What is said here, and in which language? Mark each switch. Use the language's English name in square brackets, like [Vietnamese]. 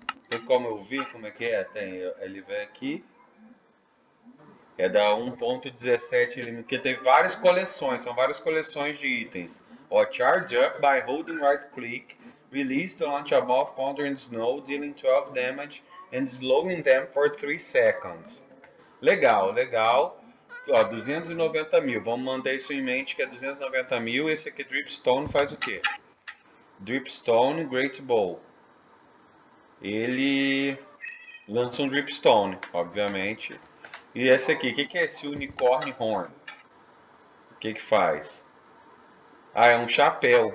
[Portuguese] Tem como eu vi como é que é? Tem, ele vem aqui. É da 1.17. Porque tem várias coleções. São várias coleções de itens. [English] Ó, charge up by holding right click. Release the launcher above powder and snow, dealing 12 damage and slowing them for 3 seconds. [Portuguese] Legal, legal. Ó, 290 mil. Vamos manter isso em mente que é 290 mil. Esse aqui, Dripstone, faz o quê? Dripstone Great Bow. Ele lança um dripstone, obviamente. E esse aqui, o que é esse unicorn horn? O que que faz? Ah, é um chapéu.